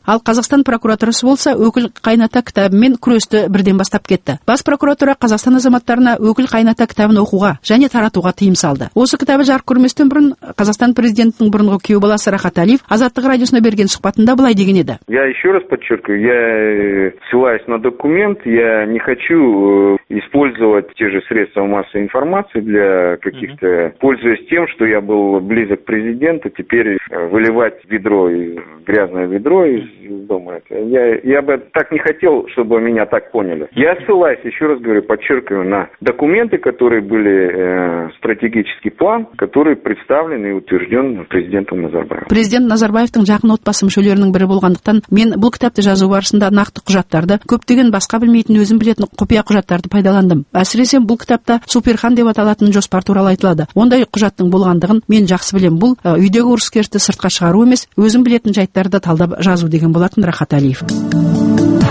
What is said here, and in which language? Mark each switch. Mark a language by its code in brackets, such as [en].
[kk] Ал Қазақстан прокуратурасы болса Өкіл қайната кітабымен күресті бірден бастап кетті. Бас прокуратура Қазақстан азаматтарына Өкіл қайната кітабын оқуға және таратуға тыйым салды. Осы кітабы жарық көрместен бұрын Қазақстан президентінің бұрынғы күйеуі баласы Рахат Алиев Азаттық радиосына берген сұхбатында былай деген еді. [ru] Я еще раз подчеркиваю, я ссылаюсь на документ, я не хочу использовать те же средства массовой информации для каких-то, пользуясь тем, что я был близок к президенту, теперь выливать ведро, грязное ведро из дома. Я бы так не хотел, чтобы меня так поняли. Я ссылаюсь, еще раз говорю, подчеркиваю, на документы, которые были стратегический план, который представлен и утвержден президентом Назарбаевым. [kk] Президент Назарбаевтың жақын отбасы мүшелерінің бірі болғандықтан, мен бұл кітапты жазу барысында нақты құжаттарды, көптеген басқа білмейтін өзім білетін құпия құжаттарды пайдаландым. Әсіресе бұл кітапта Суперхан деп аталатын жоспар туралы айтылады. Ондай құжаттың болғандығын мен жақсы білем. Бұл үйдегі ұрыс керісті сыртқа шығару емес, өзім білетін жайттарды талдап жазу деген болатын Рахат Алиев.